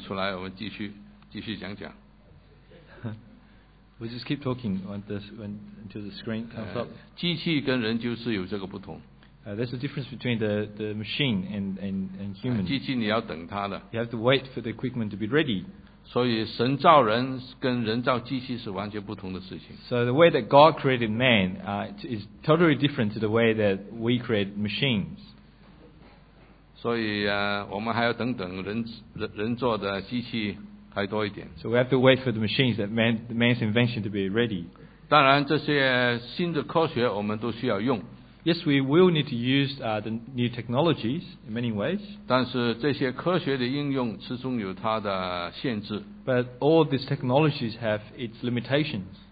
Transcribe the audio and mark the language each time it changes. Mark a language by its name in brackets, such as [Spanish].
[Chinese] 弟兄姊妹的那个screen还没有出来，我们继续讲讲。 [English] We just keep talking until the screen comes up. [Chinese] 机器跟人就是有这个不同。 [English] There's a difference between the machine and human. [Chinese] 机器你要等它的。 [English] You have to wait for the equipment to be ready. [Chinese] 所以神造人跟人造机器是完全不同的事情。 [English] So the way that God created man is totally different to the way that we create machines. [Chinese] 所以我们还要等等人做的机器还多一点。 [English] So we have to wait for the machines that man's invention to be ready. [Chinese] 当然这些新的科学我们都需要用。 [English] Yes, we will need to use the new technologies in many ways. [Chinese] 但是这些科学的应用始终有它的限制。 [English] But all these technologies have its limitations.